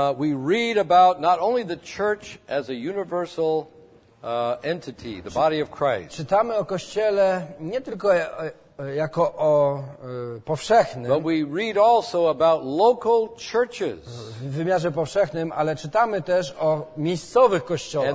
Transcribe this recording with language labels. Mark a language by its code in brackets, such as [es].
[en] We read about not only the church as a universal entity, the body of Christ. [pl] Czytamy o kościele nie tylko jako o powszechnym. [en] But we read also about local churches. [pl] W wymiarze powszechnym, ale czytamy też o miejscowych kościołach.